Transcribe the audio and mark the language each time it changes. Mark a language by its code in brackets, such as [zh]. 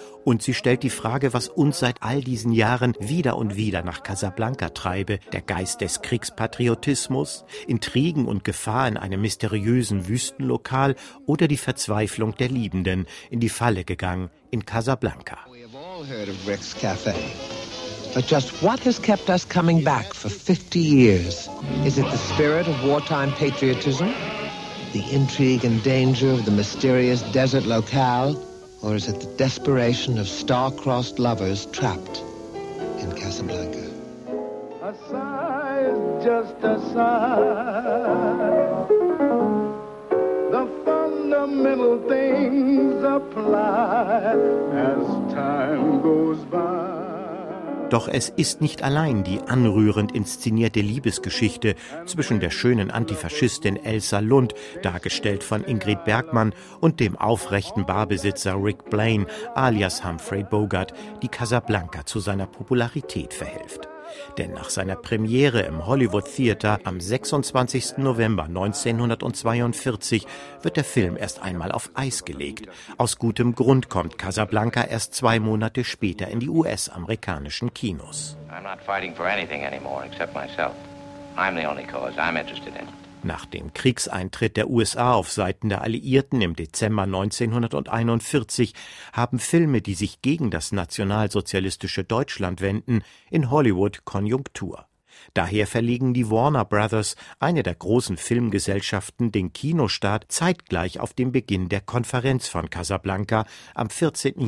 [de] Und sie stellt die Frage, was uns seit all diesen Jahren wieder und wieder nach Casablanca treibe, der Geist des Kriegspatriotismus, Intrigen und Gefahr in einem mysteriösen Wüstenlokal oder die Verzweiflung der Liebenden, in die Falle gegangen in Casablanca. [en] We have all heard of Rick's Cafe. But just what has kept us coming back for 50 years? Is it the spirit of wartime patriotism? The intrigue and danger of the mysterious desert locale? Or is it the desperation of star-crossed lovers trapped in Casablanca? A sigh is just a sigh. The fundamental things apply as time goes by. [de] Doch es ist nicht allein die anrührend inszenierte Liebesgeschichte zwischen der schönen Antifaschistin Elsa Lund, dargestellt von Ingrid Bergman, und dem aufrechten Barbesitzer Rick Blaine, alias Humphrey Bogart, die Casablanca zu seiner Popularität verhilft. Denn nach seiner Premiere im Hollywood Theater am 26. November 1942 wird der Film erst einmal auf Eis gelegt. Aus gutem Grund kommt Casablanca erst 2 Monate später in die US-amerikanischen Kinos. [en] I'm not fighting for anything anymore except myself. I'm the only cause I'm interested in. [de] Nach dem Kriegseintritt der USA auf Seiten der Alliierten im Dezember 1941 haben Filme, die sich gegen das nationalsozialistische Deutschland wenden, in Hollywood Konjunktur. Daher verlegen die Warner Brothers, eine der großen Filmgesellschaften, den Kinostart zeitgleich auf den Beginn der Konferenz von Casablanca am 14.